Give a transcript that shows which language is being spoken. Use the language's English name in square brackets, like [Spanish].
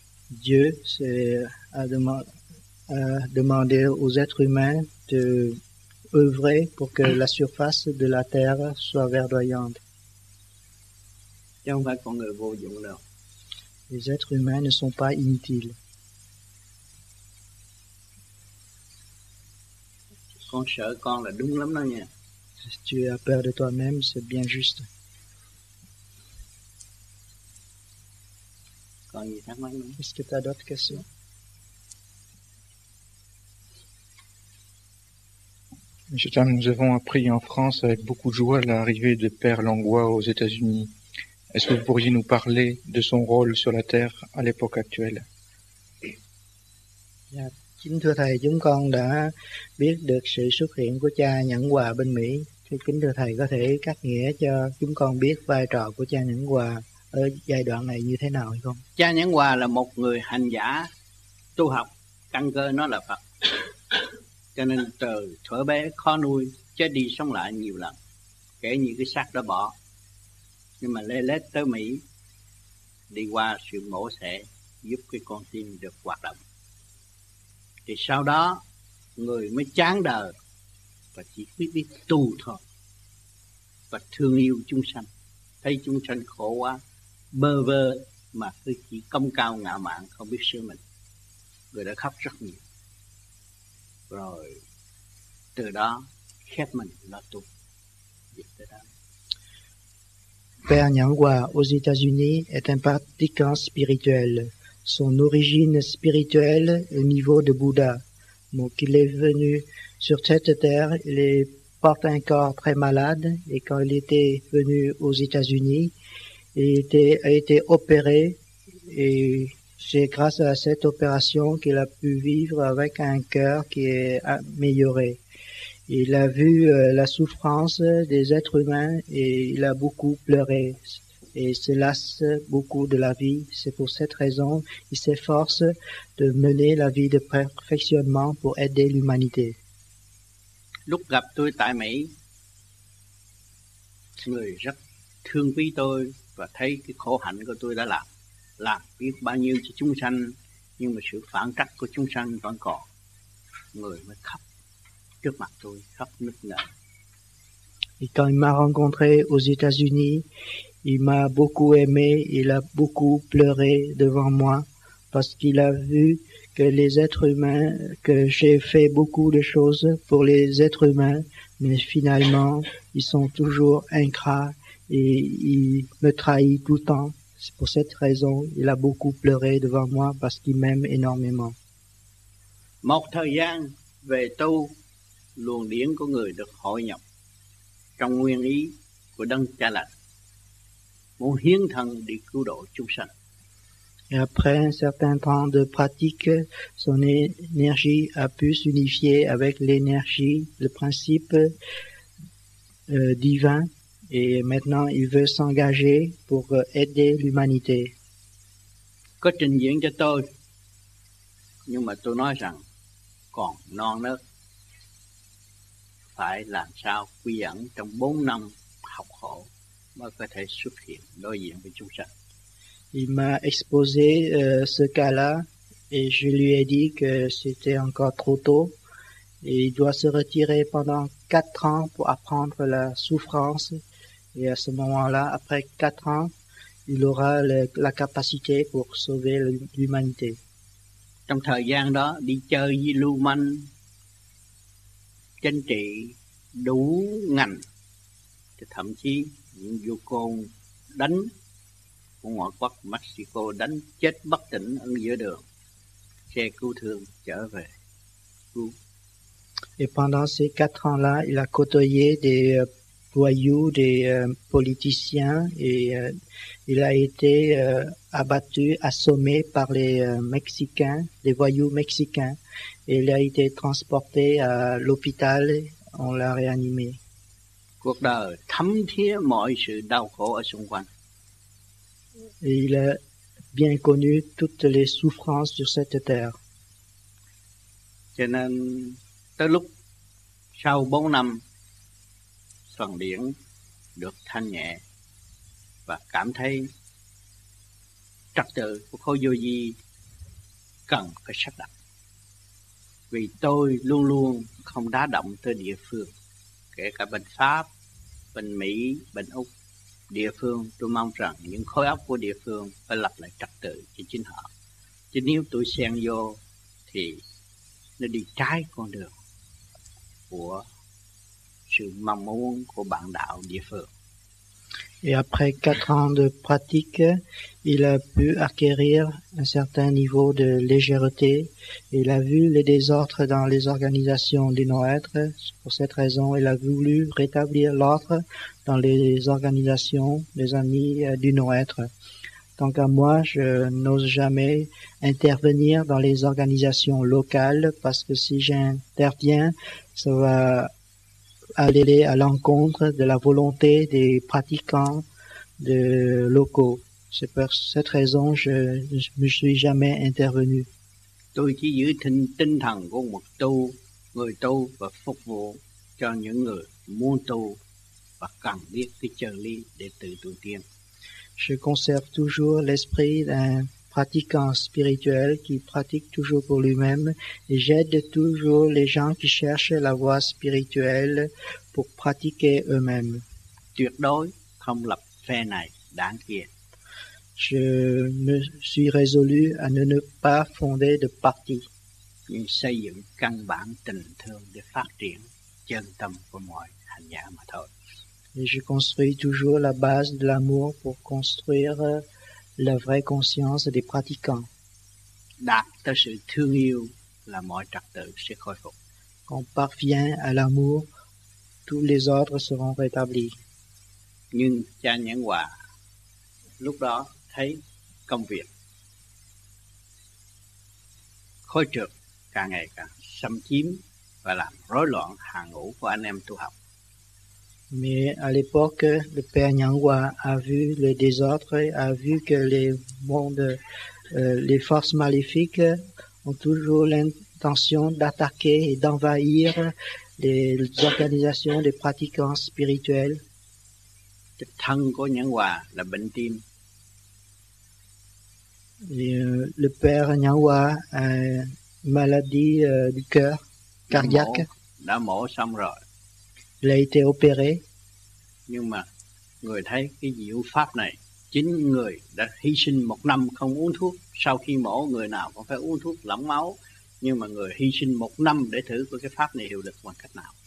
[French] Dieu a demandé aux êtres humains de œuvrer pour que la surface de la terre soit verdoyante. Les êtres humains ne sont pas inutiles. [Vietnamese] Con sợ con là đúng lắm đó nha. [French] Si tu as peur de toi-même, c'est bien juste. [Vietnamese] Còn gì thắc mắc nữa? [French] Est-ce que tu as d'autres questions? Monsieur Tam, nous avons appris en France avec beaucoup de joie l'arrivée de Père Langlois aux États-Unis. Est-ce que vous pourriez nous parler de son rôle sur la Terre à l'époque actuelle? [English] Yeah. [Vietnamese] Kính thưa Thầy, chúng con đã biết được sự xuất hiện của cha Nhẫn Hòa bên Mỹ. Kính thưa Thầy có thể cắt nghĩa cho chúng con biết vai trò của cha Nhẫn Hòa ở giai đoạn này như thế nào hay không? Cha Nhẫn Hòa là một người hành giả tu học, căn cơ nó là Phật. Cho nên từ thuở bé khó nuôi, chết đi sống lại nhiều lần, kể như cái xác đã bỏ. Nhưng mà lê lết tới Mỹ, đi qua sự mổ xẻ giúp cái con tim được hoạt động. Thì sau đó người mới chán đời và chỉ biết đi tu thôi và thương yêu chúng sanh, thấy chúng sanh khổ quá bơ vơ mà cứ chỉ công cao ngạo mạn không biết sửa mình, người đã khóc rất nhiều, rồi từ đó khép mình lo tu. [French] Père Nhẫn Hòa aux États-Unis est un pratiquant spirituel. Son origine spirituelle est au niveau de Bouddha. Donc, il est venu sur cette terre, il porte un corps très malade, et quand il était venu aux États-Unis, il a été opéré, et c'est grâce à cette opération qu'il a pu vivre avec un cœur qui est amélioré. Il a vu la souffrance des êtres humains et il a beaucoup pleuré. et se lasse beaucoup de la vie. C'est pour cette raison qu'il s'efforce de mener la vie de perfectionnement pour aider l'humanité. [Vietnamese] Lúc gặp tôi tại Mỹ, người rất thương quý tôi và thấy cái khổ hạnh của tôi đã làm biết bao nhiêu cho chúng sanh, nhưng mà sự phản trắc của chúng sanh vẫn còn. Người mới khóc trước mặt tôi, khóc nức nở. [French] Et quand il m'a rencontré aux États-Unis, il m'a beaucoup aimé, il a beaucoup pleuré devant moi, parce qu'il a vu que les êtres humains, que j'ai fait beaucoup de choses pour les êtres humains, mais finalement, ils sont toujours ingrats et ils me trahissent tout le temps. C'est pour cette raison qu'il a beaucoup pleuré devant moi, parce qu'il m'aime énormément. [Vietnamese] Một thời gian về tu, luồng điển của người được hội nhập trong nguyên ý của Đấng Cha Lành, muốn hiến thân đi cứu độ chúng sanh. [French] Et après un certain temps de pratique, son énergie a pu s'unifier avec l'énergie, le principe divin, et maintenant il veut s'engager pour aider l'humanité. [Vietnamese] Có trình diễn cho tôi, nhưng mà tôi nói rằng còn non nớt, phải làm sao quy ẩn trong 4 năm học khổ mới có thể xuất hiện đối diện với chúng sanh. [French] Il m'a exposé ce cas-là et je lui ai dit que c'était encore trop tôt et il doit se retirer pendant 4 ans pour apprendre la souffrance et à ce moment-là, après 4 ans, il aura la capacité pour sauver l'humanité. [Vietnamese] Trong thời gian đó, đi chơi với lưu manh, chính trị đủ ngành, thậm chí những vô côn đánh của ngoại quốc Mexico đánh chết bất tỉnh ở giữa đường, xe cứu thương trở về cứu. [French] Et pendant ces 4 ans là, il a côtoyé des voyous, des politiciens et il a été abattu, assommé par les mexicains, les voyous mexicains, et il a été transporté à l'hôpital, on l'a réanimé. [Vietnamese] Cuộc đời thấm thía mọi sự đau khổ ở xung quanh. [French] Et il a bien connu toutes les souffrances sur cette terre. [Vietnamese] Cho nên tới lúc sau 4 năm, phần điển được thanh nhẹ và cảm thấy trật tự của khối vô vi cần phải sắp đặt. Vì tôi luôn luôn không đá động tới địa phương, kể cả bên Pháp, bên Mỹ, bên Úc. Địa phương, tôi mong rằng những khối óc của địa phương phải lập lại trật tự cho chính họ. Chứ nếu tôi xen vô thì nó đi trái con đường của sự mong muốn của bạn đạo địa phương. [French] Et après 4 ans de pratique, il a pu acquérir un certain niveau de légèreté. Il a vu les désordres dans les organisations des non-êtres. Pour cette raison, il a voulu rétablir l'ordre dans les organisations des amis du non-être. Tant qu'à moi, je n'ose jamais intervenir dans les organisations locales parce que si j'interviens, ça va aller à l'encontre de la volonté des pratiquants de locaux. C'est pour cette raison que je ne me suis jamais intervenu. [Vietnamese] Tôi chỉ giữ tinh thần của một tu, người tu và phục vụ cho những người muốn tu và cần biết cái chân lý để tự tiến. [French] Je conserve toujours l'esprit d'un pratiquant spirituel qui pratique toujours pour lui-même et j'aide toujours les gens qui cherchent la voie spirituelle pour pratiquer eux-mêmes. [Vietnamese] Tuyệt đối không lập phe này, đảng kia. [French] Je me suis résolu à ne pas fonder de parti. [Vietnamese] Nhưng xây dựng căn bản tình thương để phát triển chân tâm của mọi hành giả mà thôi. [French] Et je construis toujours la base de l'amour pour construire la vraie conscience des pratiquants. [Vietnamese] Đạt tới sự thương yêu là mọi trật tự sẽ khôi phục. [French] Quand on parvient à l'amour, tous les ordres seront rétablis. [Vietnamese] Nhưng cha Nhãn Hòa lúc đó thấy công việc khối trượt càng ngày càng xâm chiếm và làm rối loạn hàng ngũ của anh em tu học. [French] Mais à l'époque, le père Nyangwa a vu le désordre, a vu que les mondes, les forces maléfiques ont toujours l'intention d'attaquer et d'envahir les organisations des pratiquants spirituels. [Vietnamese] Le tang của Nyangwa là bệnh tim. [French] Le père Nyangwa a une maladie du cœur cardiaque. [Vietnamese] Đã mổ xong rồi. [French] Il a été opéré. [Vietnamese] Nhưng mà người thấy cái diệu pháp này, chính người đã hy sinh một năm không uống thuốc. Sau khi mổ, người nào cũng phải uống thuốc lỏng máu. Nhưng mà người hy sinh một năm để thử có cái pháp này hiệu lực bằng cách nào?